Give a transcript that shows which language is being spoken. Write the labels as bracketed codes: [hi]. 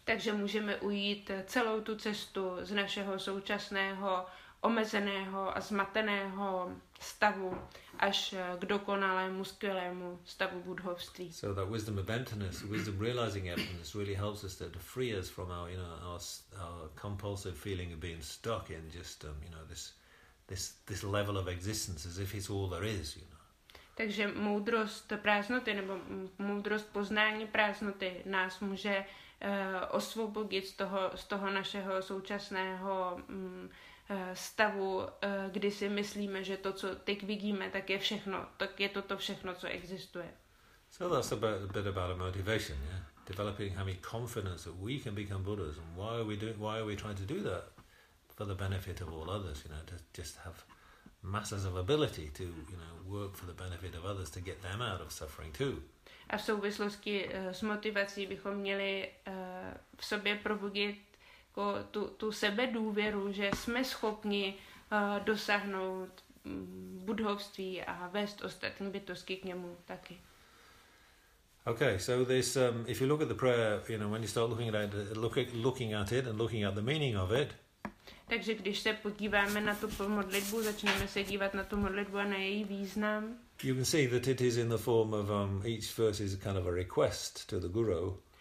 [cs] Takže můžeme ujít celou tu cestu z našeho současného omezeného a zmateného stavu až k dokonalému, skvělému stavu buddhovství. [en] So that wisdom of emptiness, wisdom realizing emptiness, really helps us to free us from our, you know, our compulsive feeling of being stuck in just you know, this level of existence as if it's all there is, you know. [cs] Takže moudrost prázdnoty nebo moudrost poznání prázdnoty nás může osvobodit z toho našeho současného stavu, kdy si myslíme, že to, co teď vidíme, tak je všechno, tak je to všechno, co existuje. [en] So that's a bit about a motivation, yeah. Developing, having confidence that we can become Buddhas, and why are we trying to do that for the benefit of all others, you know, to just have masses of ability to, you know, work for the benefit of others to get them out of suffering too. [cs] A v souvislosti s motivací bychom měli v sobě probudit jako tu sebedůvěru, že jsme schopni dosáhnout buddhovství a vést ostatní bytosti k němu taky. [en] Okay, so this if you look at the prayer, you know, when you start looking at it and looking at the meaning of it. [cs] Takže když se podíváme na tu modlitbu, začneme se dívat na tu modlitbu a na její význam. [en] You can see that it is in the form of each verse is kind of a request to the guru.